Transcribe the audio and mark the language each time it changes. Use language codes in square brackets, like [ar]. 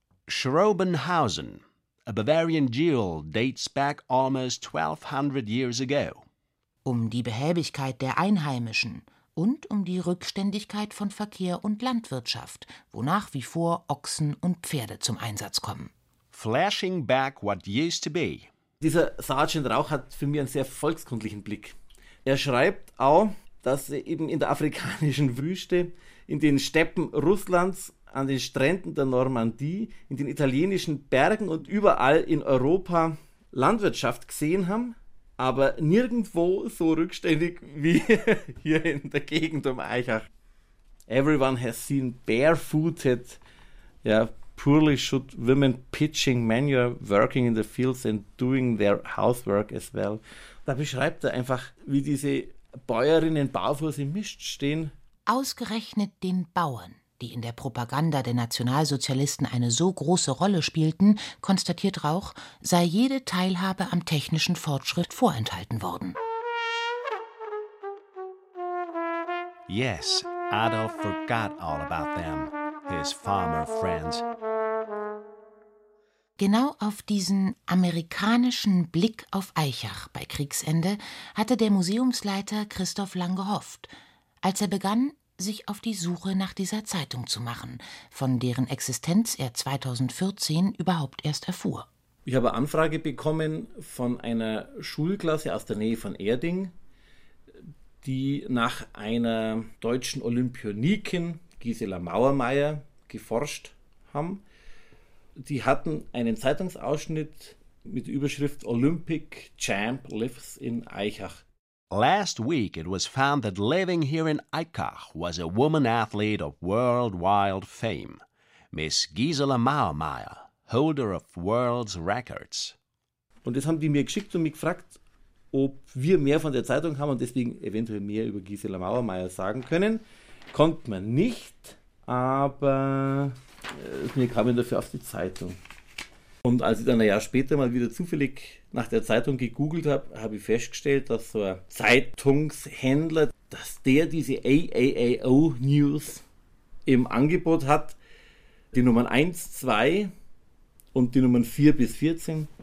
[en] Schrobenhausen, a Bavarian jewel, dates back almost 1200 years ago. [de] Um die Behäbigkeit der Einheimischen und um die Rückständigkeit von Verkehr und Landwirtschaft, wo nach wie vor Ochsen und Pferde zum Einsatz kommen. [en] Flashing back what used to be. [de] Dieser Sergeant Rauch hat für mich einen sehr volkskundlichen Blick. Er schreibt auch, dass eben in der afrikanischen Wüste, in den Steppen Russlands, an den Stränden der Normandie, in den italienischen Bergen und überall in Europa Landwirtschaft gesehen haben, aber nirgendwo so rückständig wie hier in der Gegend um Eichach. [en] Everyone has seen barefooted, yeah, poorly should women pitching manure, working in the fields and doing their housework as well. [de] Da beschreibt er einfach, wie diese Bäuerinnen barfuß im Mist stehen. Ausgerechnet den Bauern, die in der Propaganda der Nationalsozialisten eine so große Rolle spielten, konstatiert Rauch, sei jede Teilhabe am technischen Fortschritt vorenthalten worden. [en] Yes, Adolf forgot all about them, his farmer friends. [de] Genau auf diesen amerikanischen Blick auf Eichach bei Kriegsende hatte der Museumsleiter Christoph Lang gehofft, als er begann, sich auf die Suche nach dieser Zeitung zu machen, von deren Existenz er 2014 überhaupt erst erfuhr. Ich habe eine Anfrage bekommen von einer Schulklasse aus der Nähe von Erding, die nach einer deutschen Olympionikin, Gisela Mauermeier, geforscht haben. Die hatten einen Zeitungsausschnitt mit Überschrift [en] Olympic Champ Lives in Eichach. Last week it was found that living here in Eichach was a woman athlete of worldwide fame, Miss Gisela Mauermeier, holder of world's records. [de] Und das haben die mir geschickt und mich gefragt, ob wir mehr von der Zeitung haben und deswegen eventuell mehr über Gisela Mauermeier sagen können. Konnte man nicht, aber mir kamen dafür auf die Zeitung. Und als ich dann ein Jahr später mal wieder zufällig nach der Zeitung gegoogelt habe, habe ich festgestellt, dass so ein Zeitungshändler, dass der diese AAAO News im Angebot hat, die Nummern 1, 2 und die Nummern 4 bis 14.